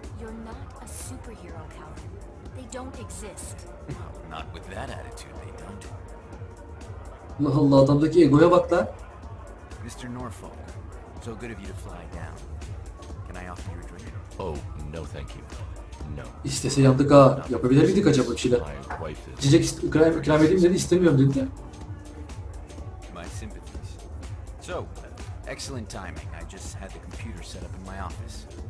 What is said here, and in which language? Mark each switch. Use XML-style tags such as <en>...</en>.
<en>You're not a superhero, Calvin. They don't exist. Not with that attitude, they don't.</en> <tr>Allah Allah, adamdaki egoya bak lan.</tr> <en>Mr. Norfolk, so good of you to fly down. Can I offer you a drink? Oh, no thank you. No.</en> <tr>İstese yandık ha. Yapabilir miydik acaba bir şeyler? Cicek ikram edeyim dedi, istemiyorum dedi.</tr> <en>My sympathies. So, excellent timing. I just had the computer set up in my office.</en>